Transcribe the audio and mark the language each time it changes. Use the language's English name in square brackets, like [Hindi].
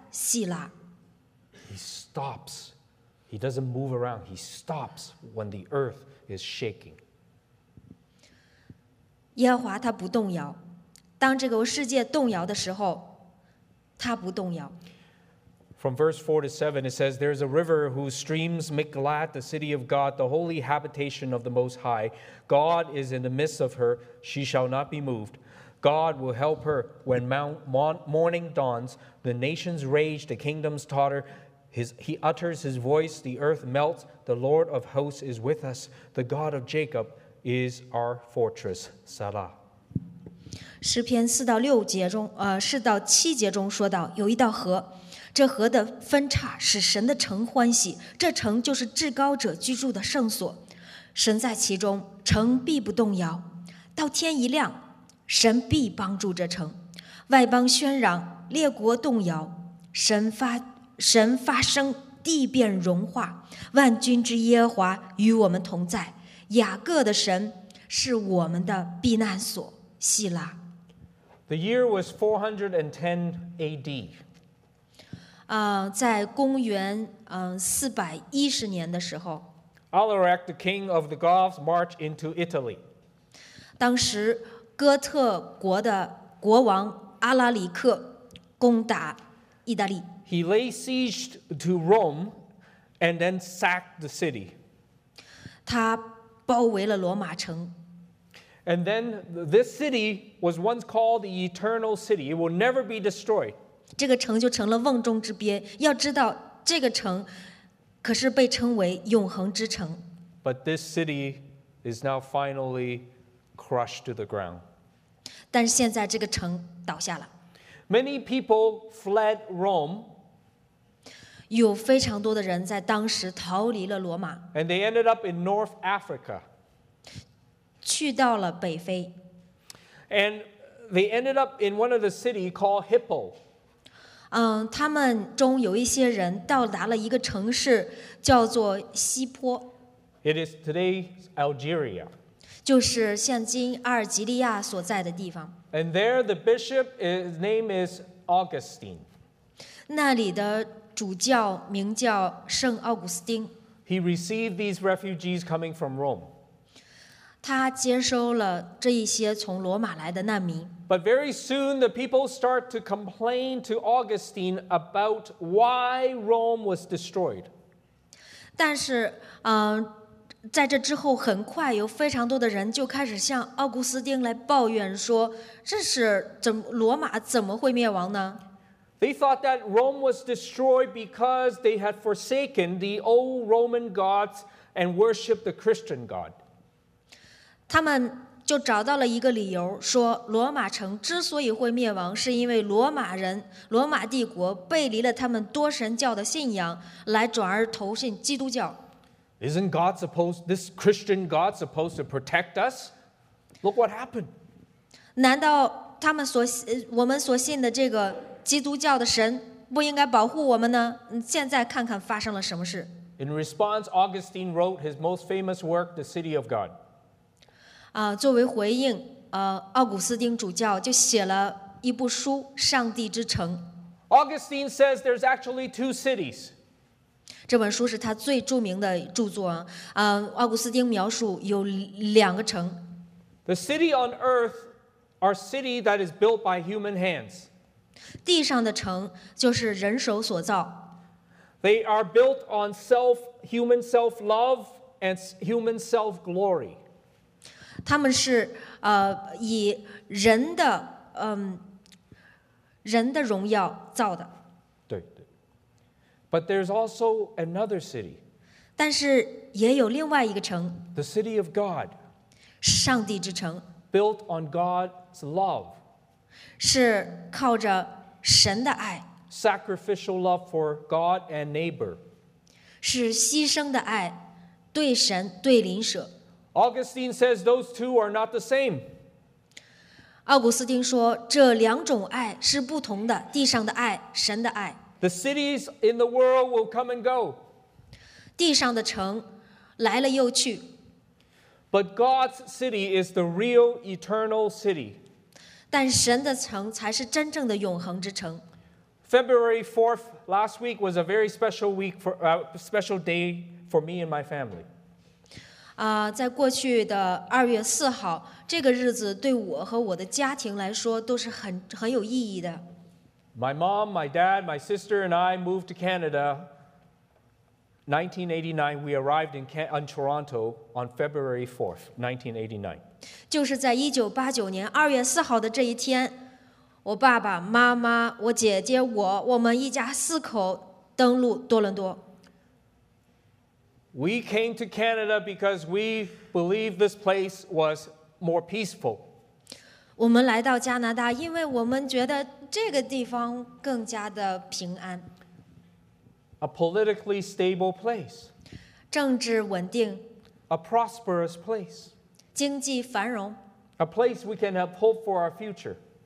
[Chinese] 希拉。 [English] He stops. He doesn't move around. He stops when the earth is shaking. [Chinese] 耶和华他不动摇，当这个世界动摇的时候，他不动摇。 [English] From verse 4 to 7, it says, There is a river whose streams make glad the city of God, the holy habitation of the Most High. God is in the midst of her. She shall not be moved. God will help her when morning dawns. The nations rage, the kingdoms totter. He utters his voice, the earth melts. The Lord of hosts is with us. The God of Jacob is our fortress. Salah. [Chinese] 诗篇四到六节中，四到七节中说到，有一道河，这河的分岔使神的城欢喜，这城就是至高者居住的圣所，神在其中，城必不动摇。到天一亮，神必帮助这城。外邦喧嚷，列国动摇，神发声，地变融化，万军之耶和华与我们同在，雅各的神是我们的避难所，希拉。 [English] The year was 410 AD. [Chinese] 在公元410年的时候 [English] ，Alaric, the king of the Goths, marched into Italy. [Chinese] 当时哥特国的国王阿拉里克攻打意大利。 [English] He lay siege to Rome, and then sacked the city. [Chinese] 他包围了罗马城。 [English] And then this city was once called the Eternal City. It will never be destroyed. [Chinese] 这个城就成了瓮中之鳖。要知道，这个城可是被称为永恒之城。 [English] But this city is now finally crushed to the ground. [Chinese] 但现在这个城倒下了。 [English] Many people fled Rome. [Chinese] 有非常多的人在当时逃离了罗马。 [English] And they ended up in North Africa. [Chinese] 去到了北非。 [English] And they ended up in one of the cities called Hippo. [Chinese] 他们中有一些人到达了一个城市叫做西坡。 [English] It is today Algeria. [Chinese] 就是现今阿尔及利亚所在的地方。 [English] And there the bishop, his name is Augustine. [Chinese] 那里的主教名叫圣奥古斯丁。 [English] He received these refugees coming from Rome. [Chinese] 他接收了这一些从罗马来的难民。 [English] But very soon the people start to complain to Augustine about why Rome was destroyed. [Chinese] 但是，在这之后，很快有非常多的人就开始向奥古斯丁来抱怨说，这是怎么罗马怎么会灭亡呢？ [English] They thought that Rome was destroyed because they had forsaken the old Roman gods and worshipped the Christian God. [Chinese] 他们就找到了一个理由，说罗马城之所以会灭亡，是因为罗马人、罗马帝国背离了他们多神教的信仰，来转而投信基督教。 [English] Isn't God supposed, this Christian God supposed to protect us? Look what happened. [Chinese] 难道他们所我们所信的这个基督教的神不应该保护我们呢？现在看看发生了什么事。 [English] In response, Augustine wrote his most famous work, The City of God. [Chinese] 作为回应，奥古斯丁主教就写了一部书《上帝之城》。 [English] Augustine says there's actually two cities. [Chinese] 这本书是他最著名的著作。奥古斯丁描述有两个城。 [English] The city on earth are city that is built by human hands. [Chinese] 地上的城就是人手所造。 They are built on self, human self-love and human self-glory. 他们是以人的人的荣耀造的。对对。 [English] But there's also another city. [Chinese] 但是也有另外一个城。 [English] The city of God. [Chinese] 上帝之城。 [English] Built on God's love. [Chinese] 是靠着神的爱。 [English] Sacrificial love for God and neighbor. [Chinese] 是牺牲的爱，对神对邻舍。 [English] Augustine says those two are not the same. [Chinese] 奥古斯丁说这两种爱是不同的，地上的爱，神的爱。 [English] The cities in the world will come and go. [Chinese] 地上的城来了又去。 [English] But God's city is the real eternal city. [Chinese] 但神的城才是真正的永恒之城。 [English] February 4th last week was a very special week for a special day for me and my family. [Chinese] 在过去的二月四号，这个日子对我和我的家庭来说都是很有意义的。 [English] My mom, my dad, my sister and I moved to Canada. 1989, we arrived in Toronto on February 4th, 1989. [Chinese] 就是在1989年二月四号的这一天，我爸爸妈妈、我姐姐、我们一家四口登陆多伦多。 [English] We came to Canada because we believed this place was more peaceful. [Chinese] 我们来到加拿大，因为我们觉得这个地方更加的平安。 [English] A politically stable place. [Chinese] 政治稳定。 [English] A prosperous place. [Chinese] 经济繁荣。 [English] A place we can have hope for our future.